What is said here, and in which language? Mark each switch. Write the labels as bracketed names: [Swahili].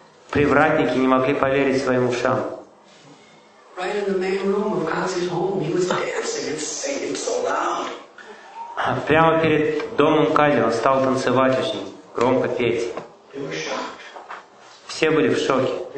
[Russian] Привратники не могли поверить своим ушам. [English] Right in the main room of Kazi's home, he was dancing and singing so loud. [Russian] Прямо перед домом Кали он стал танцевать очень громко петь. Все были в шоке.